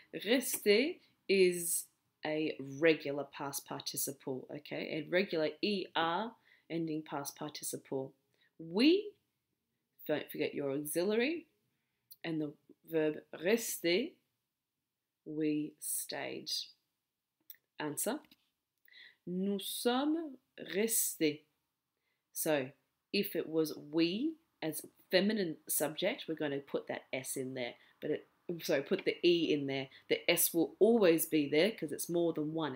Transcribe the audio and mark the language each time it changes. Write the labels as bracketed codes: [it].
[en] Rester is a regular past participle, okay? A regular ER ending past participle. We, don't forget your auxiliary, and the verb rester, we stayed. Answer, [fr] nous sommes restés. [en] So, if it was we as feminine subject, we're going to put that S in there. Put the E in there. The S will always be there because it's more than one.